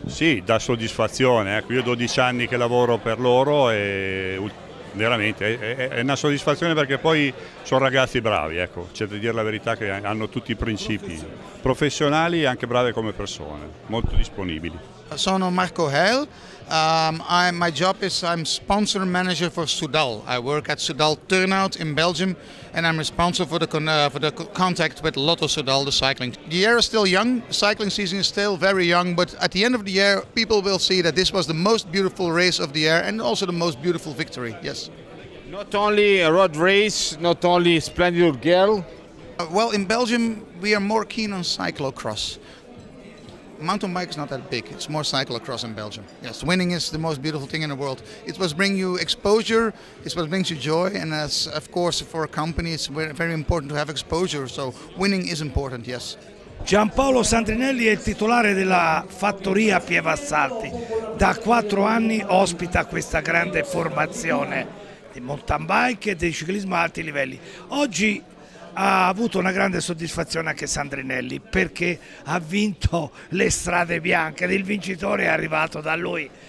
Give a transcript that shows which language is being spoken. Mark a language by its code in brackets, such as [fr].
[it] Sì, dà soddisfazione, ecco, io ho 12 anni che lavoro per loro e veramente è una soddisfazione, perché poi sono ragazzi bravi, ecco, c'è da dire la verità che hanno tutti i principi, professionali e anche bravi come persone, molto disponibili. Sono Marco Hell. [en] My job is I'm sponsor manager for Soudal. I work at Soudal Turnout in Belgium, and I'm responsible for the contact with Lotto Soudal, the cycling. The year is still young. Cycling season is still very young, but at the end of the year, people will see that this was the most beautiful race of the year and also the most beautiful victory. Yes. Not only a road race, not only a splendid girl. Well, in Belgium, we are more keen on cyclocross. Mountain bike is not that big, it's more cyclocross in Belgium. Yes, winning is the most beautiful thing in the world. It must bring you exposure, it must bring you joy, and as of course for a company it's very important to have exposure, so winning is important, yes. [it] Gianpaolo Sandrinelli è il titolare della fattoria Pievassalti. Da 4 anni ospita questa grande formazione di mountain bike e di ciclismo a alti livelli. Oggi ha avuto una grande soddisfazione anche Sandrinelli, perché ha vinto le strade bianche ed il vincitore è arrivato da lui.